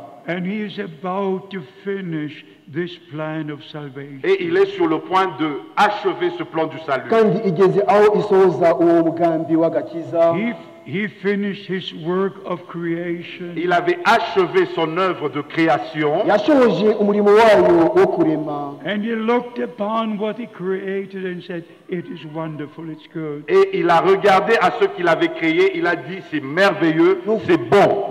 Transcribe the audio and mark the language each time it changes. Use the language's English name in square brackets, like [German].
[English] And he is about to finish this plan of salvation. [French] Et il est sur le point de achever ce plan du salut. [English] He finished his work of creation. [French] Il avait achevé son œuvre de création. [English] And he looked upon what he created and said, "It is wonderful, it's good." [French] Et il a regardé à ce qu'il avait créé, il a dit, "C'est merveilleux, c'est bon."